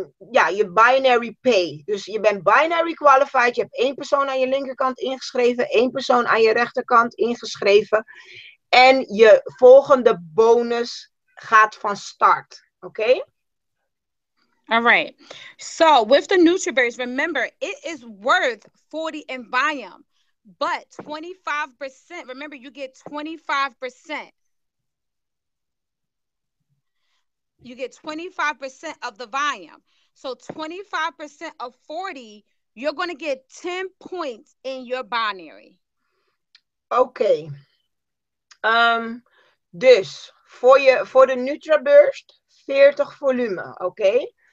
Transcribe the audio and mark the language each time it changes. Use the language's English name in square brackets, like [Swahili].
[Dutch] Je binary pay. Dus je bent binary qualified, je hebt 1 persoon aan je linkerkant ingeschreven, 1 persoon aan je rechterkant ingeschreven en je volgende bonus gaat van start, oké? [English] All right. So with the NutriBerries, remember, it is worth 40 in volume, but 25%. Remember, you get 25%. You get 25% of the volume. So 25% of 40, you're going to get 10 points in your binary. Okay. [Dutch] Dus voor je voor de NutriBurst 40 volume, oké?